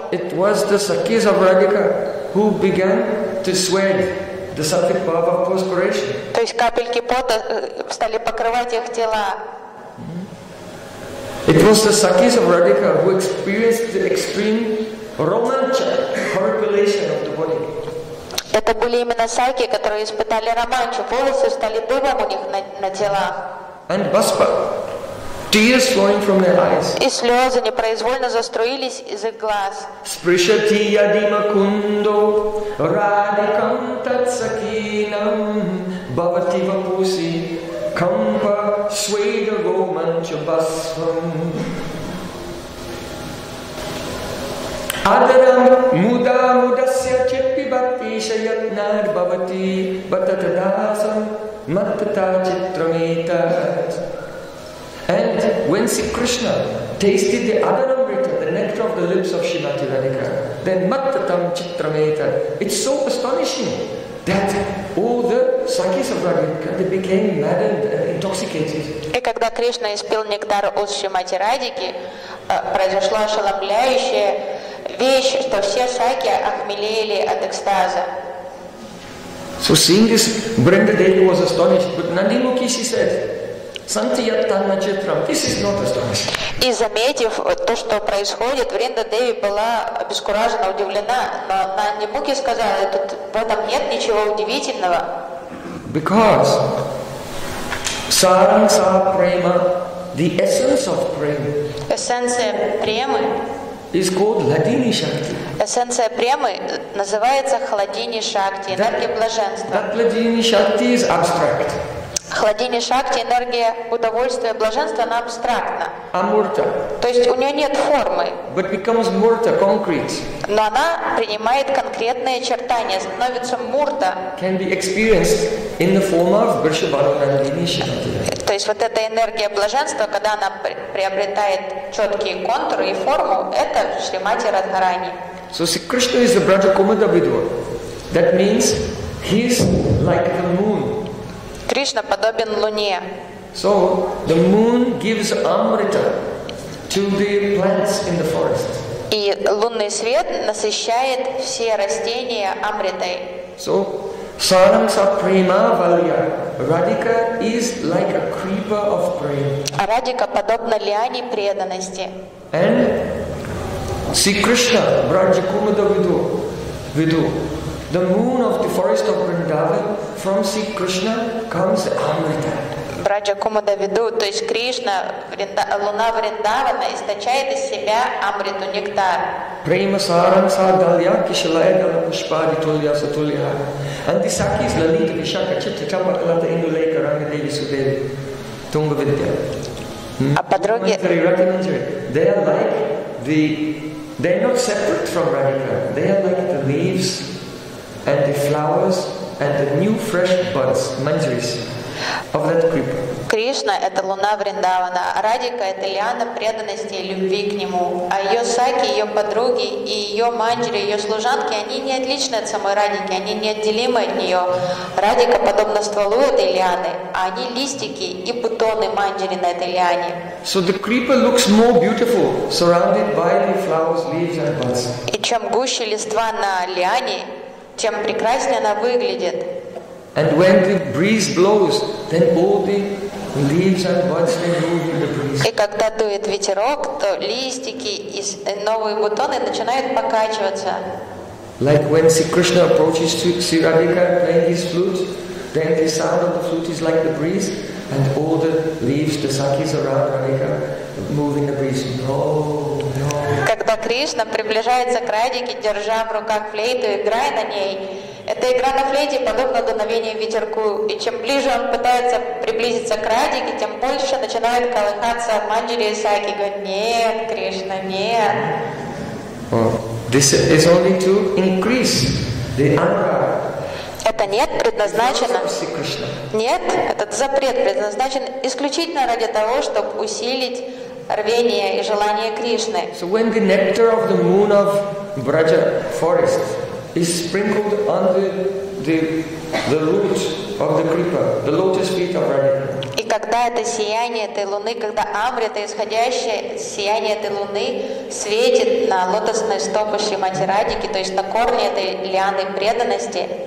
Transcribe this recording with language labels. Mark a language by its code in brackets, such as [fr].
[en] It was the sakis of Radhika who began to sweat the sattvic bhava of perspiration. [ru] То есть капельки пота стали покрывать их тела. [en] It was the sakis of Radhika who experienced the extreme romance, percolation of the body. [ru] Это были именно саки, которые испытали романчу. Волосы стали дымом у них на телах. [en] And baspa, tears flowing from their eyes. [ru] И слезы непроизвольно заструились из их глаз. [sa] Спришати ядима кундо радикам тацакинам бавати вапуси кампа свейда романчу басвам. Адарам муда мудасья чеппи бхакти шаятнар бхавати батта тадасам матта читрамета. [en] And when Sri Krishna tasted the adanamrita, the nectar of the lips of Srimati Radhika, then [sa] mattatam chitrameta, [en] it's so astonishing that all the sakis of Radhika, they became maddened and intoxicated. [ru] И когда Кришна испил нектар от Шримати Радики, произошла ошеломляющая вещь, что все саки охмелели от экстаза. [en] So seeing this, Brindadevi was astonished, but Nandimukhi, she said, this is not astonishing. [ru] И заметив то, что происходит, Брindadevi была обескуражена, удивлена, но Нандимукхи сказала, в этом нет ничего удивительного. [en] Because Sarasa Prema, the essence of prema. [ru] Эссенция премы. [en] Is called Ladini Shakti. [ru] Эссенция премы называется Хладини Шакти, энергия блаженства. [en] That Ladini Shakti is abstract. [ru] Хладини Шакти, энергия удовольствия, блаженства, она абстрактна. Амурта. То есть у нее нет формы. [en] But becomes Murta, concrete. [ru] Но она принимает конкретные очертания, становится Мурта. [en] Can be experienced in the form of Vrishabhanu Nandini Shakti. [ru] То есть вот эта энергия блаженства, когда она приобретает четкие контуры и форму, это Шримати Радхарани. [en] So Sri Krishna is the Brajakumada Vidwa. That means he's like the moon. [ru] Кришна подобен луне. [en] So the moon gives amrita to the plants in the forest. [ru] И лунный свет насыщает все растения амритой. [en] So [sa] Sarangsa Prema Valya. [en] Radhika is like a creeper of prema. [ru] Радика подобна лиане преданности. [en] And Sri Krishna, Brajakumada Vidu, Vidu. The moon of the forest of Vrindavan, from Sri Krishna comes Amrita. [ru] Брадхакумада Виду, то есть Кришна, луна Вриндавана источает из себя амриту нектар. [sa] Prema Saransa Dalya Kishalaya Dala Pushpadi Tulya Satulya. [en] And the Sakis Lalita Vishaka Chitta Chamakalata Induleka Rangadevi Sudevi Tunga Vidya. [ru] А подруги... [en] They are like the... They are not separate from Radhika. They are like the leaves and the flowers and the new fresh buds, manjaris, of that creeper. [ru] Кришна — это луна Вриндавана, Радика — это лиана преданности и любви к нему. А ее саки, ее подруги и ее манджри, ее служанки, они не отличны от самой Радики, они неотделимы от нее. Радика подобна стволу этой лианы, а они листики и бутоны манджри на этой лиане. [en] So the creeper looks more beautiful, surrounded by the flowers, leaves and buds. [ru] И чем гуще листва на лиане, тем прекраснее она выглядит. [en] And when the breeze blows, then all the leaves and buds they move with the breeze. [ru] И когда дует ветерок, то листики и новые бутоны начинают покачиваться. [en] Like when Sri Krishna approaches to Sri Radhika playing his flute, then the sound of the flute is like the breeze, and all the leaves, the sakis around Radhika, move in the breeze. No. [ru] Когда Кришна приближается к Радике, держа в руках флейту и играя на ней, эта игра на флейте подобна дуновению ветерку. И чем ближе он пытается приблизиться к Радике, тем больше начинают колыхаться манджири и саки. Говорит, нет, Кришна, нет. [en] This is only to increase the anger. [ru] Это нет предназначено. Нет, этот запрет предназначен исключительно ради того, чтобы усилить рвение и желание Кришны. [en] So when the nectar of the moon of Braja forest is sprinkled on the root of the creeper, the lotus feet of Radhika. [ru] И когда это сияние этой луны, когда амрита, исходящее сияние этой луны, светит на лотосные стопы Шримати Радики, то есть на корни этой лианы преданности.